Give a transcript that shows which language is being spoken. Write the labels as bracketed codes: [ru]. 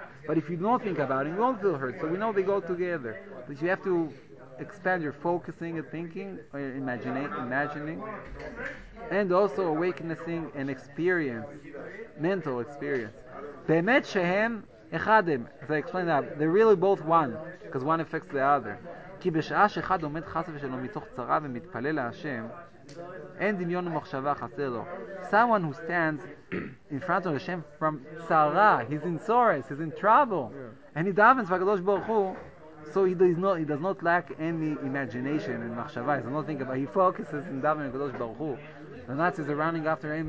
[en] But if you don't think about him, you won't feel hurt. So we know they go together. But you have to expand your focusing and thinking, or imagining, and also awakening an experience, mental experience. [he] באמת שהם אחדים. [en] As I explained that, they're really both one, because one affects the other. [he] כי בשעה שאחד עומד חס ושלו מתוך צרה ומתפלל להשם, אין דמיון ומחשבה חסר לו. [en] Someone who stands in front of Hashem from צרה, he's in sorrows, he's in trouble, and he davens והקדוש ברוך הוא, so he does not lack any imagination and machshava. He does not think about it. He focuses in davening on Kadosh Baruch Hu. The Nazis are running after him.